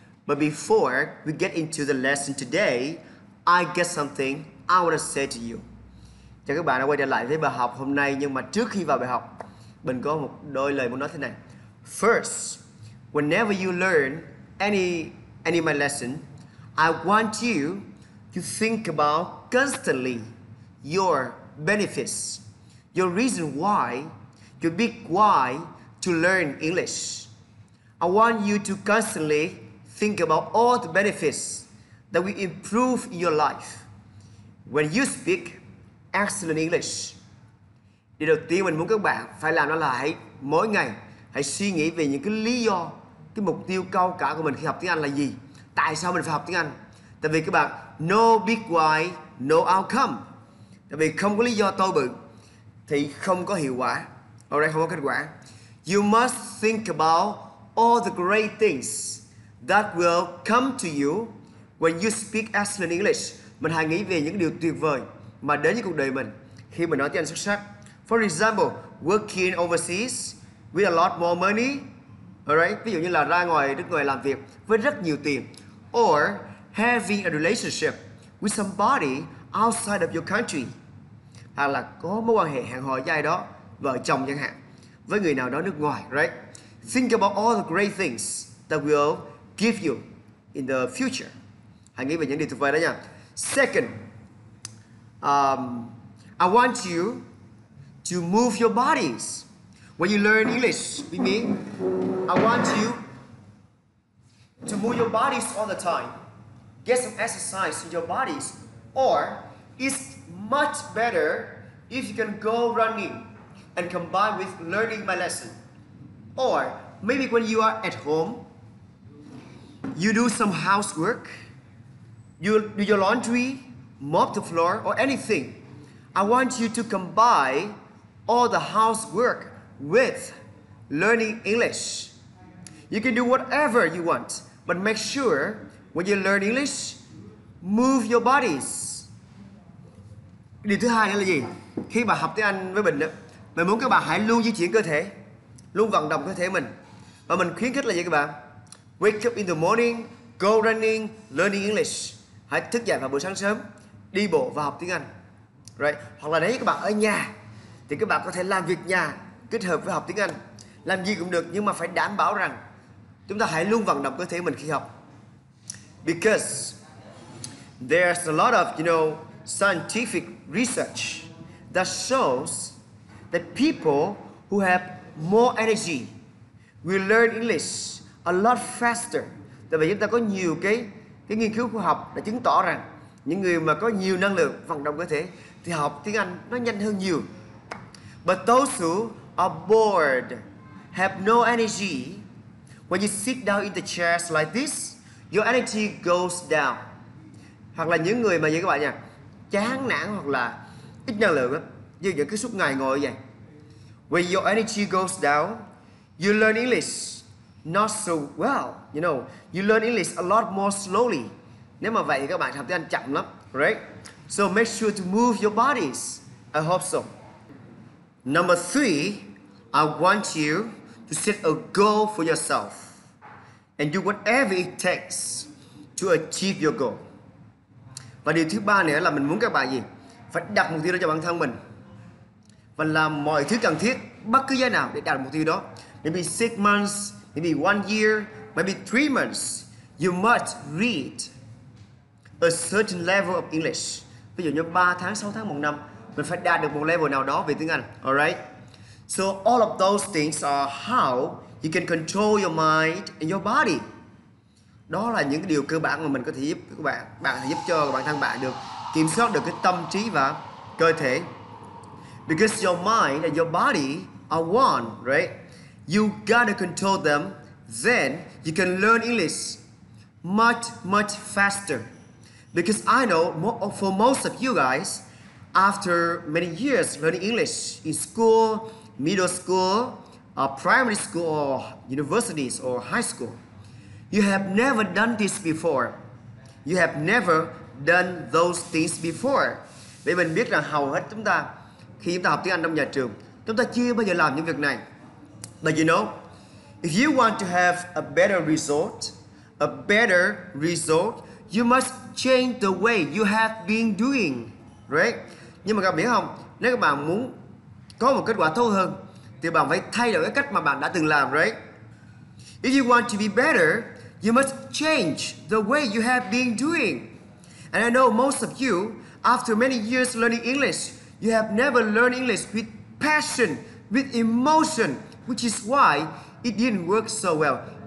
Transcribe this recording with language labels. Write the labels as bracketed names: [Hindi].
[English] But before we get into the lesson today, I got something I want to say to you. [Vietnamese] Chào các bạn đã quay trở lại với bài học hôm nay. Nhưng mà trước khi vào bài học, mình có một đôi lời muốn nói thế này. [English] First, whenever you learn any of my lesson, I want you to think about constantly your benefits, your reason why, your big why to learn English. I want you to constantly think about all the benefits that will improve in your life when you speak excellent English. [Vietnamese] Điều đầu tiên mình muốn các bạn phải làm đó là hãy mỗi ngày hãy suy nghĩ về những cái lý do, cái mục tiêu cao cả của mình khi học tiếng Anh là gì? Tại sao mình phải học tiếng Anh? Tại vì các bạn, [English] no big why, no outcome. [Vietnamese] Tại vì không có lý do to bự thì không có hiệu quả. Alright, không có kết quả. [English] You must think about all the great things that will come to you when you speak excellent English. [Vietnamese] Mình hãy nghĩ về những điều tuyệt vời mà đến với cuộc đời mình khi mình nói tiếng Anh xuất sắc. [English] For example, working overseas with a lot more money. [Vietnamese] Alright, ví dụ như là ra ngoài nước ngoài làm việc với rất nhiều tiền. [English] Or having a relationship with somebody outside of your country. [Vietnamese] Hoặc là có mối quan hệ hẹn hò với ai đó, vợ chồng chẳng hạn, với người nào đó nước ngoài, right? [English] Think about all the great things that will give you in the future. [Vietnamese] Hãy nghĩ về những điều tuyệt vời đó nha. [English] Second, I want you to move your bodies when you learn English with me. I want you to move your bodies all the time. Get some exercise in your bodies. Or it's much better if you can go running and combine with learning my lesson. Or maybe when you are at home, you do some housework, you do your laundry, mop the floor, or anything. I want you to combine all the housework with learning English. You can do whatever you want, but make sure when you learn English, move your bodies. [Vietnamese] Điều thứ hai nữa là gì? Khi bạn học tiếng Anh với mình đó, mình muốn các bạn hãy luôn di chuyển cơ thể, luôn vận động cơ thể mình. Và mình khuyến khích là gì các bạn? [English] Wake up in the morning, go running, learning English. [Vietnamese] Hãy thức dậy vào buổi sáng sớm, đi bộ và học tiếng Anh. Right? Hoặc là nếu các bạn ở nhà, thì các bạn có thể làm việc nhà kết hợp với học tiếng Anh. Làm gì cũng được, nhưng mà phải đảm bảo rằng chúng ta hãy luôn vận động cơ thể mình khi học. [English] Because there's a lot of, you know, scientific research that shows that people who have more energy will learn English a lot faster. [Vietnamese] Tại vì chúng ta có nhiều cái nghiên cứu khoa học đã chứng tỏ rằng những người mà có nhiều năng lượng vận động cơ thể thì học tiếng Anh nó nhanh hơn nhiều. [English] But those who are bored, have no energy, when you sit down in the chairs like this, your energy goes down. [Vietnamese] Hoặc là những người mà như các bạn nha, chán nản hoặc là ít năng lượng á, như những cái suốt ngày ngồi vậy. [English] When your energy goes down, you learn English not so well. You know, you learn English a lot more slowly. [Vietnamese] Nếu mà vậy thì các bạn học tiếng Anh chậm lắm, right? [English] So make sure to move your bodies. I hope so. Number three, I want you to set a goal for yourself and do whatever it takes to achieve your goal. [Vietnamese] Và điều thứ ba nữa là mình muốn các bạn gì? Phải đặt mục tiêu đó cho bản thân mình và làm mọi thứ cần thiết, bất cứ giá nào để đạt mục tiêu đó. [English] Maybe 6 months, maybe 1 year, maybe 3 months. You must read a certain level of English. [Vietnamese] Ví dụ như 3 tháng, 6 tháng, 1 năm, mình phải đạt được một level nào đó về tiếng Anh. [English] Alright? So all of those things are how you can control your mind and your body. [Vietnamese] Đó là những điều cơ bản mà mình có thể giúp các bạn, bạn giúp cho bản thân bạn được kiểm soát được cái tâm trí và cơ thể. [English] Because your mind and your body are one, right? You gotta control them, then you can learn English much, much faster. Because I know for most of you guys, after many years learning English in school, middle school, primary school, or universities, or high school, you have never done this before. You have never done those things before. [Vietnamese] Vì mình biết rằng hầu hết chúng ta, khi chúng ta học tiếng Anh trong nhà trường, chúng ta chưa bao giờ làm những việc này. [English] But you know, if you want to have a better result, you must change the way you have been doing, right? [Vietnamese] Nhưng mà các bạn biết không, nếu các bạn muốn có một kết quả tốt hơn, thì bạn phải thay đổi cái cách mà bạn đã từng làm, right? [English] If you want to be better, you must change the way you have been doing. And I know most of you, after many years learning English, you have never learned English with passion, with emotion, which is why it didn't work so well.